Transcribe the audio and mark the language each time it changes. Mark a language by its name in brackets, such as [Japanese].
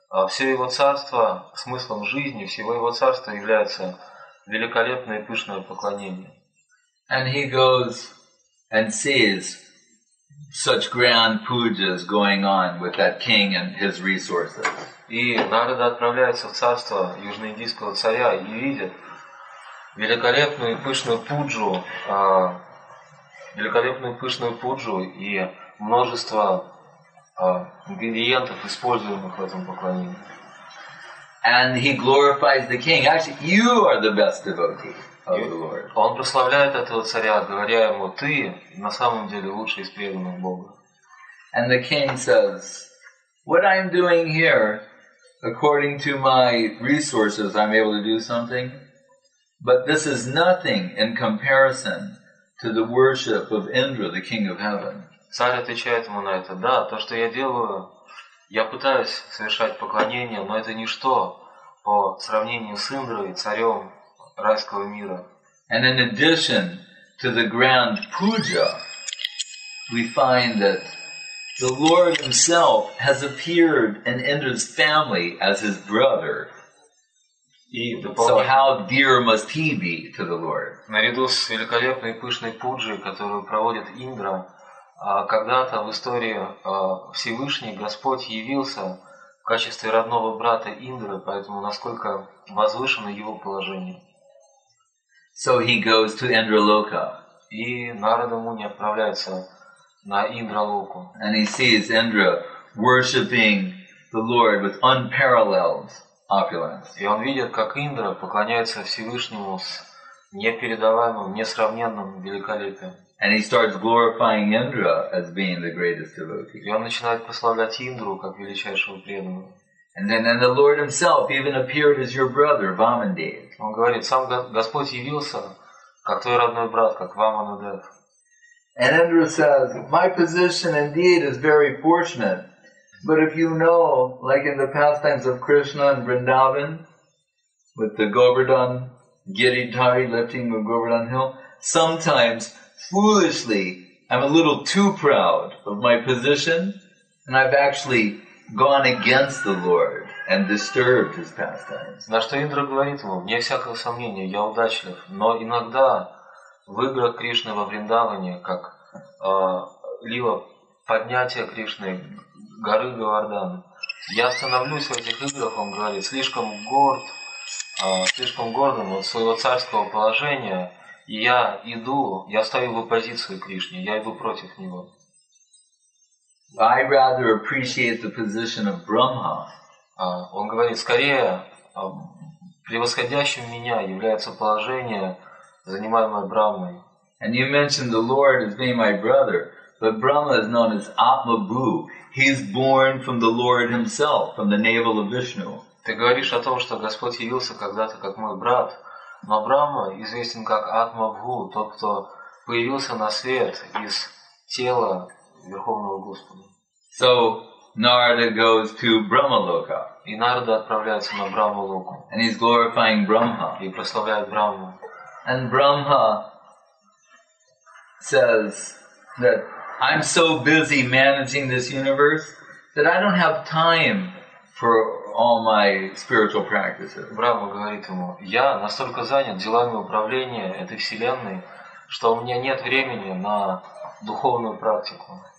[Russian] Все его царство, смыслом жизни, всего его царства является великолепное и пышное поклонение." [English] And he goes and sees such grand pujas going on with that king and his resources. [Russian] И Нарада отправляется в царство южноиндийского царя и видит великолепную и пышную пуджу, великолепную пышную пуджу и множество ингредиентов, используемых в этом поклонении. [English] And he glorifies the king. Actually, you are the best devotee of the Lord. [Russian] Он прославляет этого царя, говоря ему: "Ты на самом деле лучший из преданных Бога." [English] And the king says, "What I'm doing here, according to my resources, I'm able to do something, but this is nothing in comparison to the worship of Indra, the king of heaven." [Russian] Царь отвечает ему на это: "Да, то, что я делаю, я пытаюсь совершать поклонение, но это ничто по сравнению с Индрой, царем райского мира." [English] And in addition to the grand puja, we find that the Lord himself has appeared in Indra's family as his brother. So how dear must he be to the Lord? [Russian] Наряду с великолепной и пышной пуджей, которую проводит Индра, когда-то в истории Всевышний Господь явился в качестве родного брата Индры, поэтому насколько возвышено его положение. [English] So he goes to Indraloka. [Russian] И Нарада Муни отправляется на Индра-локу. [English] And he sees Indra worshipping the Lord with unparalleled opulence. [Russian] И он видит, как Индра поклоняется Всевышнему с непередаваемым, несравненным великолепием. [English] And he starts glorifying Indra as being the greatest devotee. [Russian] И он начинает прославлять Индру как величайшего преданного. [English] And then the Lord himself even appeared as your brother, Vamadeva. [Russian] Он говорит, сам Господь явился как твой родной брат, как Vamadeva. [English] And Indra says, my position indeed is very fortunate, but if you know, like in the pastimes of Krishna and Vrindavan, with the Govardhan, Giridhari lifting the Govardhan hill, sometimes, foolishly, I'm a little too proud of my position, and I've actually gone against the Lord and disturbed his pastimes. [Russian] На что Индра говорит ему, вне всякого сомнения, я удачлив, но иногда в играх Кришны во Вриндаване, как либо поднятие Кришны, горы Говардан, я становлюсь в этих играх, он говорит, слишком горд, слишком гордым от своего царского положения, и я иду, я стою в оппозицию Кришне, я иду против него. [English] I rather appreciate the position of Brahma. [Russian] Он говорит, скорее превосходящим меня является положение, занимаемое Брахмой. [English] And you mentioned the Lord as being my brother, but Brahma is known as Atmabhu. He's born from the Lord himself, from the navel of Vishnu. [Russian] Ты говоришь о том, что Господь явился когда-то как мой брат, но Брахма известен как Атмабху, тот, кто появился на свет из тела Верховного Господа. [English] So Narada goes to Brahmaloka. [Russian] И Нарада отправляется на Брахмалоку. [English] And he's glorifying Brahma. [Russian] И прославляет Брахму. [English] And Brahma says that I'm so busy managing this universe that I don't have time for all my spiritual practices. [Russian] Брахма говорит ему: "Я настолько занят делами управления этой вселенной, что у меня нет времени на духовную практику."